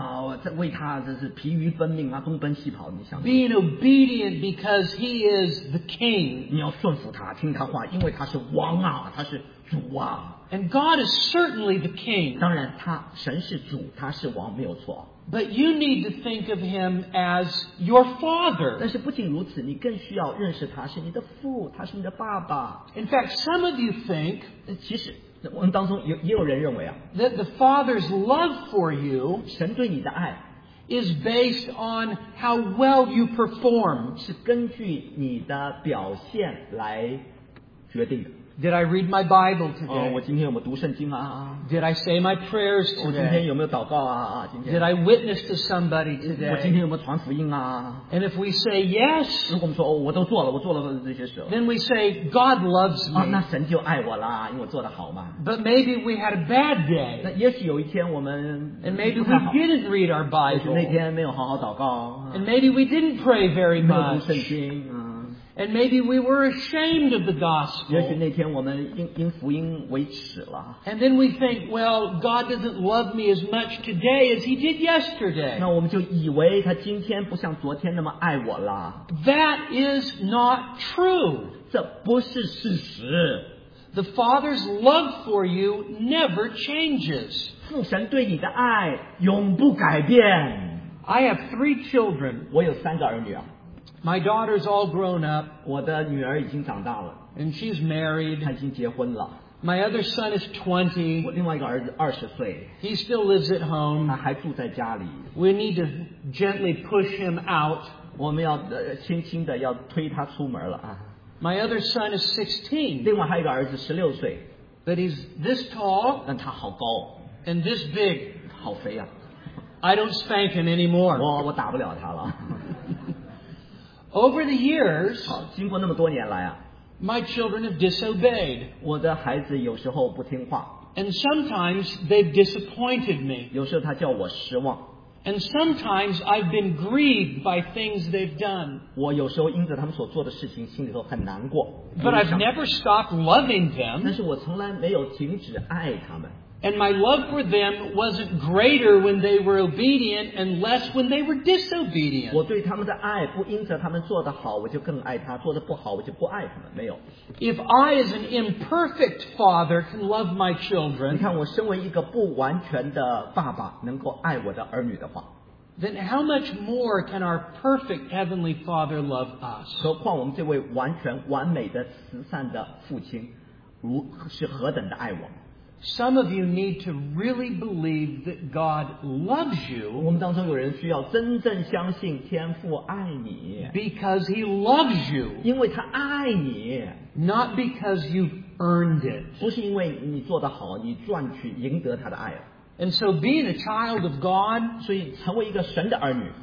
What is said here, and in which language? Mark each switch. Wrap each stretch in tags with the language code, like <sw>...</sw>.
<zh>啊，在为他这是疲于奔命啊，东奔西跑。你想。</zh> <en>Being obedient because He is the King.</en> <zh>你要顺服他，听他话，因为他是王啊，他是主啊。</zh> <en>And God is certainly the King.</en> <zh>当然，他神是主，他是王，没有错。</zh> <en>But you need to think of Him as your Father.</en> <zh>但是不仅如此，你更需要认识他是你的父，他是你的爸爸。</zh> <en>In fact, some of you think.</en> <zh>其实。我们当中也有人认为啊</zh> <en>，that the Father's love for you</en> <zh>神对你的爱</zh> <en>is based on how well you perform</en> <zh>是根据你的表现来决定的。</zh> <en>Did I read my Bible today？</en> <zh>我今天有没有读圣经啊</zh> <en>？Did I say my prayers today？</en> <zh>我今天有没有祷告啊？</zh> <en>Did I witness to somebody today？</en> <zh>我今天有没有传福音啊</zh> <en>？And if we say yes，</en> <zh>如果我们说哦，我都做了，我做了这些事</zh> <en>，then we say God loves me。</en> <zh>那神就爱我啦，因为我做得好嘛。</zh> <en>But maybe we had a bad day。</en> <zh>那也许有一天我们</zh> <en>，and maybe we didn't read our Bible。</en> <zh>那天没有好好祷告。</zh> <en>And maybe we didn't pray very much。</en> <zh>没有读圣经。</zh> <en>And maybe we were ashamed of the gospel.</en> <zh>也许那天我们因福音为耻了。</zh> <en>And then we think, well, God doesn't love me as much today as He did yesterday.</en> <zh>那我们就以为他今天不像昨天那么爱我了。</zh> <en>That is not true.</en> <zh>这不是事实。</zh> <en>The Father's love for you never changes.</en> <zh>父神对你的爱永不改变。</zh> <en>I have three children.</en> <zh>我有三个儿女啊。</zh> <en>My daughter's all grown up.</en> <zh>我的女儿已经长大了。</zh> <en>And she's married.</en> <zh>她已经结婚了。</zh> <en>My other son is 20.</en> <zh>我另外一个儿子二十岁。</zh> <en>He still lives at home.</en> <zh>他还住在家里。</zh> <en>We need to gently push him out.</en> <zh>我们要轻轻的要推他出门了啊。</zh> <en>My other son is 16.</en> <zh>另外还有一个儿子十六岁。</zh> <en>But he's this tall.</en> <zh>但他好高。</zh> <en>And this big.</en> <zh>好肥啊。</zh> <en>I don't spank him anymore.</en> <zh>我打不了他了。</zh> <en>Over the years,</en> <zh>经过那么多年来啊,</zh> <en>my children have disobeyed.</en> <zh>我的孩子有时候不听话。</zh> <en>And sometimes they've disappointed me.</en> <zh>有时候他叫我失望。</zh> <en>And sometimes I've been grieved by things they've done.</en> <zh>我有时候因着他们所做的事情心里头很难过。</zh> <en>But I've never stopped loving them.</en> <zh>但是我从来没有停止爱他们。</zh> <en>And my love for them wasn't greater when they were obedient and less when they were disobedient.</en> <zh>我对他们的爱不因着他们做得好我就更爱他做得不好我就不爱他们没有。</zh> <en>If I as an imperfect father can love my children,</en> <zh>你看我身为一个不完全的爸爸能够爱我的儿女的话。</zh> <en>Then how much more can our perfect heavenly father love us?</en> <zh>何况我们这位完全完美的慈善的父亲如是何等的爱我。</zh> <en>Some of you need to really believe that God loves you.</en> <zh>我们当中有人需要真正相信天父爱你。</zh> <en>Because He loves you.</en> <zh>因为他爱你。</zh> <en>Not because you've earned it.</en> <zh>不是因为你做得好，你赚取赢得他的爱。</zh> <en>And so being a child of God.</en> <zh>所以成为一个神的儿女。</zh>